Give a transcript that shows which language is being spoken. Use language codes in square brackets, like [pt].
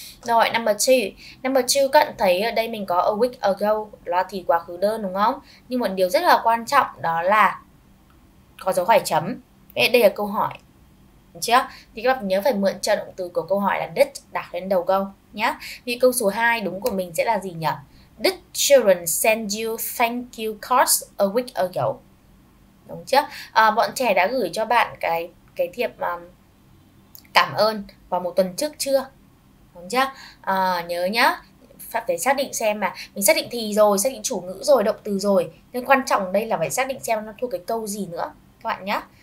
[vi] Rồi, number two, các bạn thấy ở đây mình có a week ago là thì quá khứ đơn đúng không? Nhưng một điều rất là quan trọng đó là có dấu hỏi chấm. Đây là câu hỏi. Đúng chưa? Thì các bạn nhớ phải mượn trợ động từ của câu hỏi là did đặt lên đầu câu nhá. Vì câu số 2 đúng của mình sẽ là gì nhỉ? [en] Did children send you thank you cards a week ago? [vi] Đúng chưa? Bọn trẻ đã gửi cho bạn cái thiệp cảm ơn vào một tuần trước chưa? Đúng chưa? Nhớ nhá, phải xác định xem mà. Mình xác định thì rồi, xác định chủ ngữ rồi, động từ rồi. Nhưng quan trọng đây là phải xác định xem nó thuộc cái câu gì nữa các bạn nhá.